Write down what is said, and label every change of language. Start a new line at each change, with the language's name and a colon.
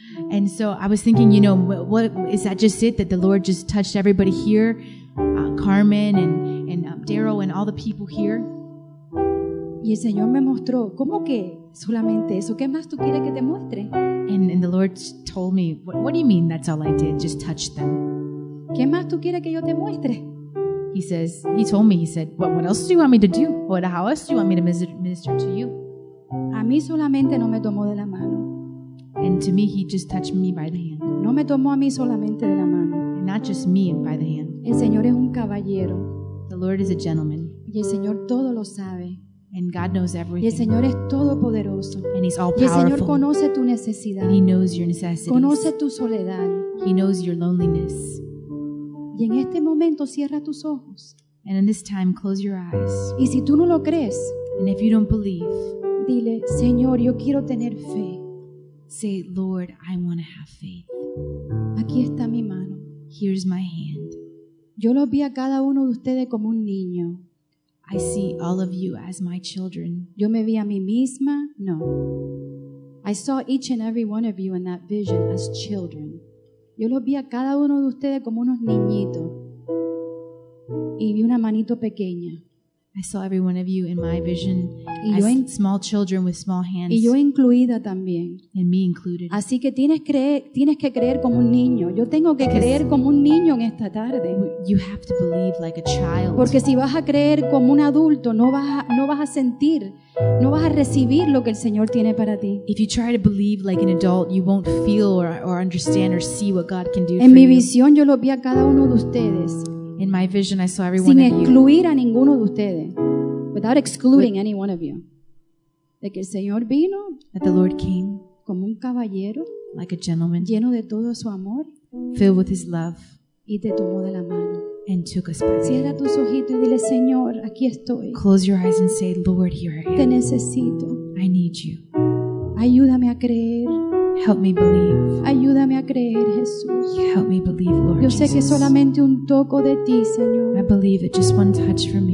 English: And so I was thinking, you know, what is that? Just it that the Lord just touched everybody here, Carmen and Daryl and all the people here.
Spanish: Y el Señor me mostró, ¿cómo que solamente eso? ¿Qué más tú quieres que te muestre?
English: And the Lord told me, what do you mean that's all I did? Just touch them.
Spanish: ¿Qué más tú quieres que yo te muestre?
English: He says, he told me, he said, what else do you want me to do? What, how else do you want me to minister to you?
Spanish: A mí solamente no me tomó de la mano.
English: And to me, he just touched me by the hand.
Spanish: No me tomó a mí solamente de la mano.
English: And not just me by the hand.
Spanish: El Señor es un caballero.
English: The Lord is a gentleman.
Spanish: Y el Señor todo lo sabe.
English: And God knows everything.
Spanish: Y el Señor es todopoderoso.
English: And he's all powerful.
Spanish: Y el Señor conoce tu necesidad.
English: And he knows your necessities.
Spanish: Conoce tu soledad.
English: He knows your loneliness.
Spanish: Y en este momento cierra tus ojos.
English: And in this time, close your eyes.
Spanish: Y si tú no lo crees,
English: and if you don't believe,
Spanish: dile, Señor, yo quiero tener fe.
English: Say, Lord, I want to have faith.
Spanish: Aquí está mi mano.
English: Here's my hand.
Spanish: Yo los vi a cada uno de ustedes como un niño.
English: I see all of you as my children.
Spanish: Yo me vi a mí misma. No.
English: I saw each and every one of you in that vision as children.
Spanish: Yo los vi a cada uno de ustedes como unos niñitos. Y vi una manito pequeña.
English: I saw every one of you in my vision as small children with small hands.
Spanish: Y yo incluida también.
English: And me included.
Spanish: Así que tienes que creer como un niño. Yo tengo que creer como un niño en esta tarde.
English: You have to believe like a child.
Spanish: Porque si vas a creer como un adulto, no vas a sentir, no vas a recibir lo que el Señor tiene para ti.
English: If you try to believe like an adult, you won't feel or understand or see what God can do for
Spanish: you. En mi visión yo lo vi a cada uno de ustedes.
English: In my vision, I saw every
Spanish: sin
English: one of you.
Spanish: Sin excluir a ninguno de ustedes.
English: Without excluding any one of you.
Spanish: De que el Señor vino.
English: That the Lord came.
Spanish: Como un caballero.
English: Like a gentleman.
Spanish: Lleno de todo su amor.
English: Filled with his love.
Spanish: Y te tomó de la mano.
English: And took us by the hand.
Spanish: Cierra tus ojitos y dile, Señor, aquí estoy.
English: Close your eyes and say, Lord, here I am.
Spanish: Te necesito.
English: I need you.
Spanish: Ayúdame a creer.
English: Help me believe.
Spanish: Ayúdame a creer, Jesús.
English: Help me believe, Lord.
Spanish: Yo sé
English: Jesus.
Spanish: Que solamente un toco de ti, Señor.
English: I believe that just one touch from you